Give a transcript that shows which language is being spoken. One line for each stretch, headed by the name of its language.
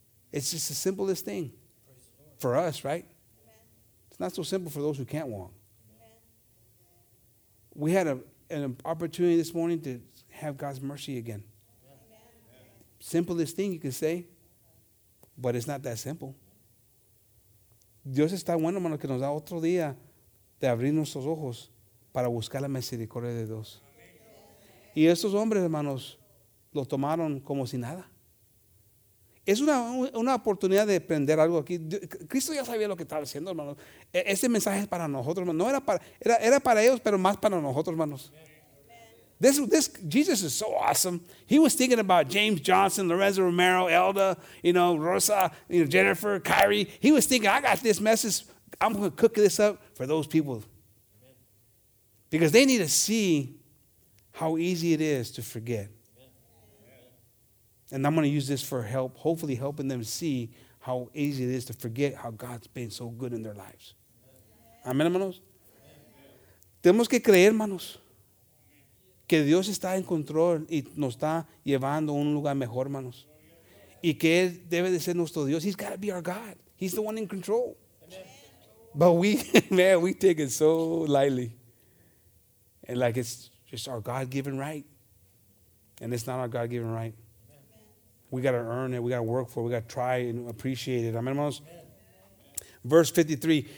English: It's just the simplest thing for us, right? It's not so simple for those who can't walk. We had an opportunity this morning to have God's mercy again. Simplest thing you could say, but it's not that simple.
Spanish: Dios está bueno, hermano, que nos da otro día de abrir nuestros ojos para buscar la misericordia de Dios. Y estos hombres, hermanos, lo tomaron como si nada. Es una oportunidad de aprender algo aquí. Cristo ya sabía lo que estaba haciendo, hermano. Este mensaje es para nosotros, hermano. No era para ellos, pero más para nosotros, hermanos.
English: This Jesus is so awesome. He was thinking about James Johnson, Lorenzo Romero, Elda, you know, Rosa, you know, Jennifer, Kyrie. He was thinking, I got this message. I'm going to cook this up for those people. Because they need to see how easy it is to forget. And I'm going to use this for help, hopefully helping them see how easy it is to forget how God's been so good in their lives.
Spanish: Amén, hermanos. Tenemos que creer, hermanos, que Dios está en control y nos está llevando a un lugar mejor, hermanos. Y que Él debe de ser nuestro Dios.
English: He's got to be our God. He's the one in control. But we, man, we take it so lightly. And like it's just our God-given right. And it's not our God-given right. We got to earn it. We got to work for it. We got to try and appreciate it. Amen,
Spanish: hermanos?
English: Verse 53.